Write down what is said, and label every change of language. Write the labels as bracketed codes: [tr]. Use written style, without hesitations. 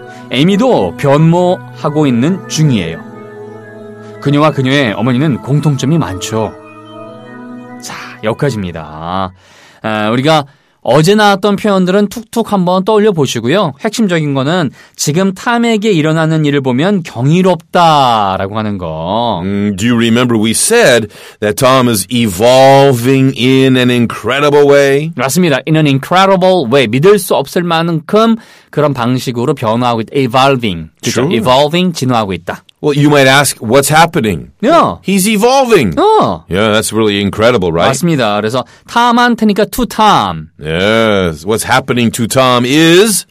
[ko] 에이미도 변모하고 있는 중이에요. 그녀와 그녀의 어머니는 공통점이 많죠. 자, 여기까지입니다. 우리가 어제 나왔던 표현들은 툭툭 한번 떠올려 보시고요. 핵심적인 거는 지금 탐에게 일어나는 일을 보면 경이롭다라고 하는 거. [en] Do you remember we said that Tom is evolving in an incredible way? [ko] 맞습니다. [en] In an incredible way. [ko] 믿을 수 없을 만큼 그런 방식으로 변화하고 있다. Evolving. 그렇죠? [en] True. [ko] Evolving, 진화하고 있다. [en] Well, you might ask, what's happening? Yeah. He's evolving. Yeah. Yeah, that's really incredible, right? [ko] 맞습니다. 그래서 Tom한테니까 [en] to Tom. Yes. What's happening to Tom is?